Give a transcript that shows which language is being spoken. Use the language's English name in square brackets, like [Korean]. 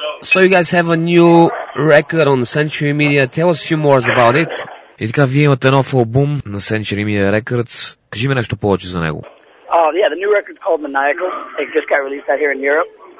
[English] So you guys have a new record on Century Media. Tell us a few more about it. [Bulgarian] И така, вие имате нов албум на Century Media Records. Кажи ми нещо повече за него. [English] Yeah, the new record's called Maniacal. It just got released out here in Europe.